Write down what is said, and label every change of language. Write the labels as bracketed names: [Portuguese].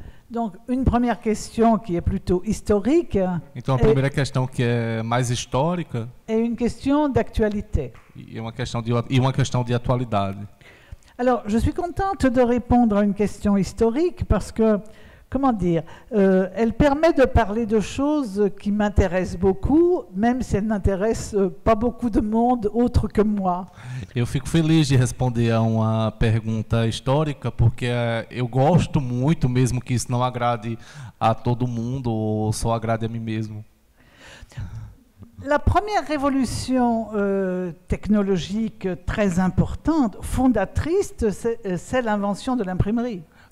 [French] Donc, une première question qui est plutôt historique. [Portuguese] Então, a primeira questão que é mais histórica. [French] É une question d'actualité. [Portuguese] E uma questão de atualidade. [French] Alors, je suis contente de répondre à une question historique parce que, comment dire, elle permet de parler de choses qui m'intéressent beaucoup, même si elles n'intéressent pas beaucoup de monde autre que moi. [Portuguese] Eu fico feliz de responder a uma pergunta histórica, porque eu gosto muito, mesmo que isso não agrade a todo mundo, ou só agrade a mim mesmo. [French] La première révolution technologique très importante, fondatrice, c'est l'invention de l'imprimerie.